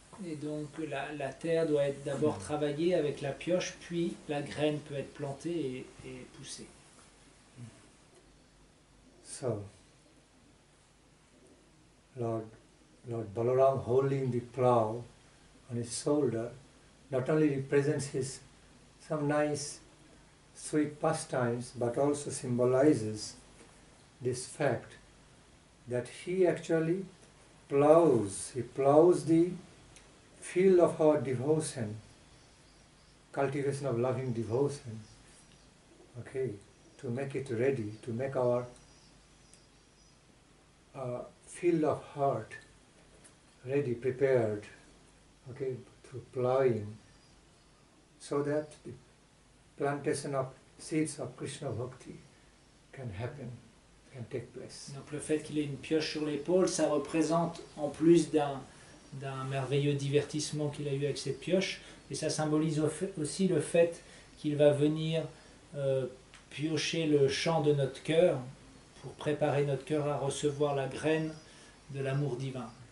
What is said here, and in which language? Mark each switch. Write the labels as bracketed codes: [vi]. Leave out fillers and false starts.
[fr] Et donc la terre doit être d'abord travaillée avec la pioche, puis la graine peut être plantée et poussée. [en] So, Lord Balaram holding the plow on his shoulder not only represents his some nice sweet pastimes but also symbolizes this fact that he actually plows the field of our devotion, cultivation of loving devotion, okay, to make it ready, to make our field of heart ready, prepared, okay, through plowing, so that the plantation of seeds of Krishna bhakti can happen, can take place. [fr] Donc le fait qu'il ait une pioche sur l'épaule, ça représente en plus d'un merveilleux divertissement qu'il a eu avec cette pioche, et ça symbolise aussi le fait qu'il va venir piocher le champ de notre cœur pour préparer notre cœur à recevoir la graine de l'amour divin.